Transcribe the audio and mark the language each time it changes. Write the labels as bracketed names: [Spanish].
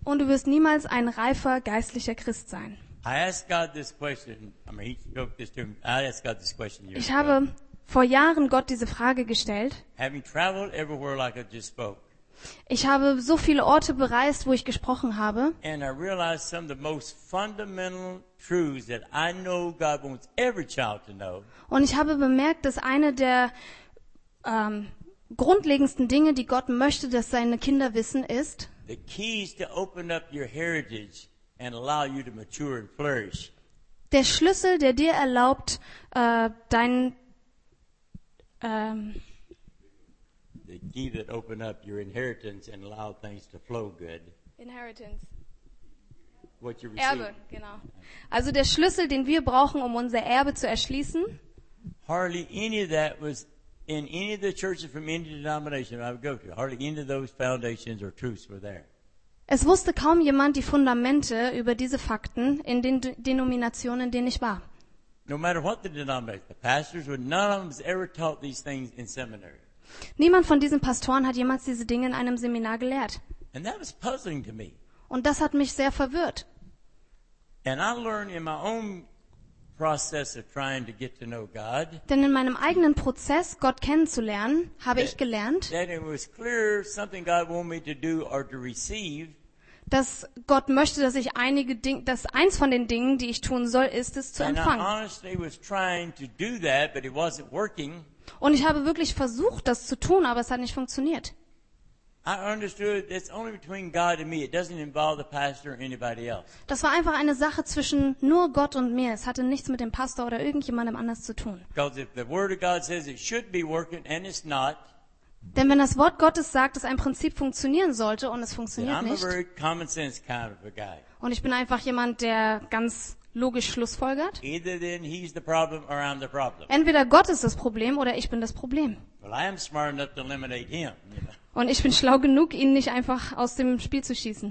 [German] Und du wirst niemals ein reifer geistlicher Christ sein. Ich habe vor Jahren Gott diese Frage gestellt. [English] Having traveled everywhere like I just spoke. [German] Ich habe so viele Orte bereist, wo ich gesprochen habe. [English] And I realized some of the most fundamental truths that I know God wants every child to know. [German] Und ich habe bemerkt, dass eine der grundlegendsten Dinge, die Gott möchte, dass seine Kinder wissen, ist, [English] the keys to open up your heritage and allow you to mature and flourish. [German] Der Schlüssel, der dir erlaubt, [English] the key that opened up your inheritance and allowed things to flow good. Inheritance. What you receive. [German] Erbe, genau. Also der Schlüssel, den wir brauchen, um unser Erbe zu erschließen. [English] Hardly any of that was in any of the churches from any denomination I would go to. Hardly any of those foundations or truths were there. [German] Es wusste kaum jemand die Fundamente über diese Fakten in den Denominationen, in denen ich war. [English] No matter what the denomination, the pastors were, none of them has ever taught these things in seminary. [German] Niemand von diesen Pastoren hat jemals diese Dinge in einem Seminar gelehrt. [English] And that was puzzling to me. [German] Und das hat mich sehr verwirrt. [English] And I learned in my own process of trying to get to know God, [German] denn in meinem eigenen Prozess, Gott kennenzulernen, habe ich gelernt, [English] that it was clear something God wanted me to do or to receive, [German] dass Gott möchte, dass ich einige Dinge, dass eins von den Dingen, die ich tun soll, ist es zu empfangen. [English] And I honestly was trying to do that, but it wasn't working. [German] Und ich habe wirklich versucht, das zu tun, aber es hat nicht funktioniert. [English] I understood it's only between God and me. It doesn't involve the pastor or anybody else. [German] Das war einfach eine Sache zwischen nur Gott und mir. Es hatte nichts mit dem Pastor oder irgendjemandem anders zu tun. [English] Because if the word of God says it should be working and it's not, [German] denn wenn das Wort Gottes sagt, dass ein Prinzip funktionieren sollte und es funktioniert [English] I'm [German] nicht, [English] a very common sense kind of a guy. [German] Und ich bin einfach jemand, der ganz logisch schlussfolgert. [English] Either then he's the problem or I'm the problem. [German] Entweder Gott ist das Problem oder ich bin das Problem. [English] Well, I am smart enough to eliminate him, you know. [German] Und ich bin schlau genug, ihn nicht einfach aus dem Spiel zu schießen.